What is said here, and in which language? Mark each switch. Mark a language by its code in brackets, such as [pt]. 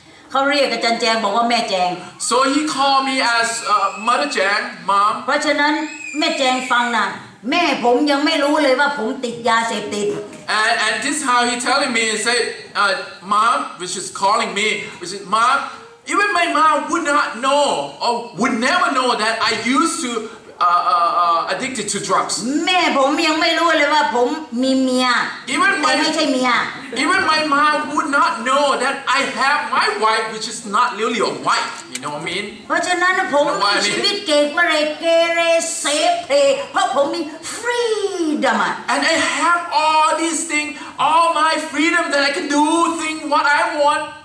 [th] เขาเรียกอาจารย์แจงบอกว่าแม่แจง [en] So he called me as Mother Jang, Mom. [th] เพราะฉะนั้นแม่แจงฟังนะแม่ผมยังไม่รู้เลยว่าผมติดยาเสพติด [en] And this is how he telling me and said mom which is calling me which is mom even my mom would not know or would never know that I used to addicted to drugs [th] แม่ผมยังไม่รู้เลยว่าผมมีเมียแต่ไม่ใช่เมีย [en] Even my mom would not know that I have my wife which is not really a wifeYou know what I mean? [th] เพราะฉะนั้นผมมีชีวิตเก่งมาเลยเกเรเซเพเพราะผมมี freedom [en] And I have all these things, all my freedom that I can do things what I want.